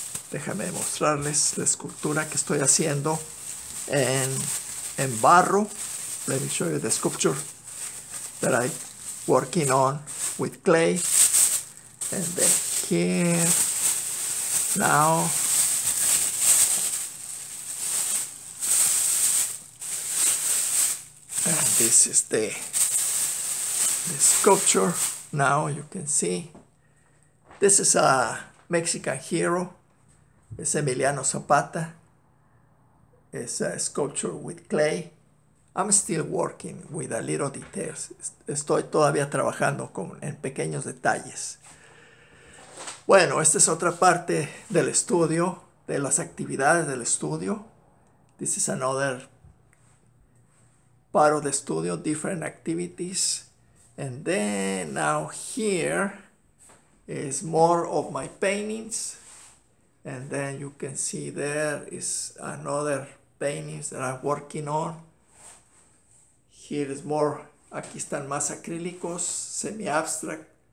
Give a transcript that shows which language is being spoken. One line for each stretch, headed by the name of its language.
Spanish: Déjame mostrarles la escultura que estoy haciendo en barro.
English: Let me show you the sculpture that I'm working on with clay. And then here, now. And this is the sculpture. Now you can see. This is a Mexican hero.
Spanish: Es
English: Emiliano Zapata. It's a sculpture with clay. I'm still working with a little details.
Spanish: Estoy todavía trabajando en pequeños detalles. Bueno, esta es otra parte del estudio, de las actividades del estudio.
English: This is another part of the studio, different activities. And then now here is more of my paintings. And then you can see there is another paintings that I'm working on. Here is more,
Spanish: aquí están más acrílicos, semi-abstract.